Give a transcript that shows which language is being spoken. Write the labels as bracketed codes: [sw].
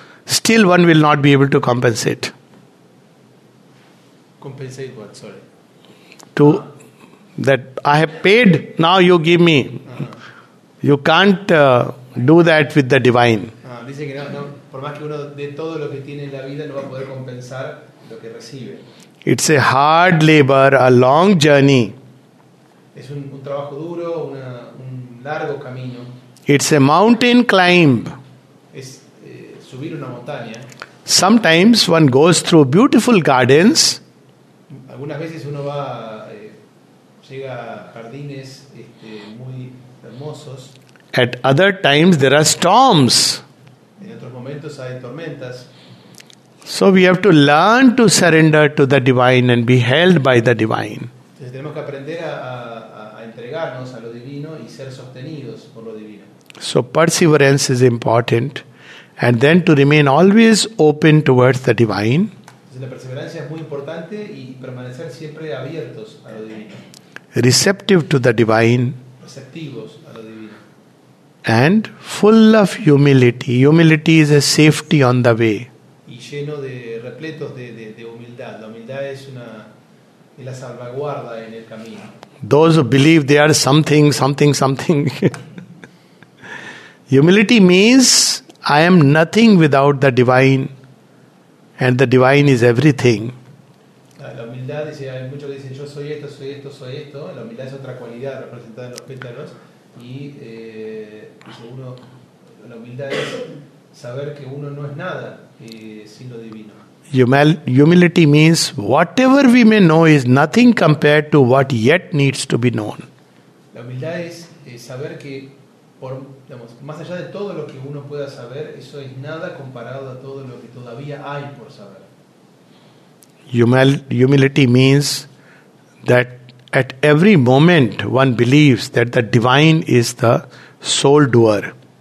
[en] still one will not be able to compensate. Compensate what, sorry? To that I have paid, now you give me. Uh-huh. You can't do that with the divine. [es] Dice que no, por más que uno de todo lo que tiene en la vida no va a poder compensar lo que recibe. [en] It's a hard labor, a long journey. [es] Es un trabajo duro, un largo camino. [en] It's a mountain climb. [es] Es subir una montaña. [en] Sometimes one goes through beautiful gardens. [es] Algunas veces uno va, llega a jardines muy hermosos. [en] At other times there are storms. [es] En otros momentos hay tormentas. [en] So we have to learn to surrender to the divine and be held by the divine. [es] Entonces tenemos que aprender a entregarnos a lo divino y ser sostenidos por lo divino. [en] So perseverance is important, and then to remain always open towards the divine. [es] Entonces la perseverancia es muy importante y permanecer siempre abiertos a lo divino. [en] Receptive to the divine. [es] Receptivos a lo divino. [en] And full of humility. Humility is a safety on the way. [es] Lleno de repletos de humildad. La humildad es es la salvaguarda en el camino. [en] Those who believe they are something, something, something. Humility means I am nothing without the divine, and the divine is everything. [es] La humildad dice, hay muchos que dicen yo soy esto, soy esto, soy esto. La humildad es otra cualidad representada en los pétalos. Y uno, la humildad es saber que uno no es nada. [en] Humility means whatever we may know is nothing compared to what yet needs to be known. [es] La humildad es saber que más allá de todo lo que uno pueda saber, eso es nada comparado a todo lo que todavía hay por saber. [en] Humility means that at every moment one believes that the divine is the sole doer.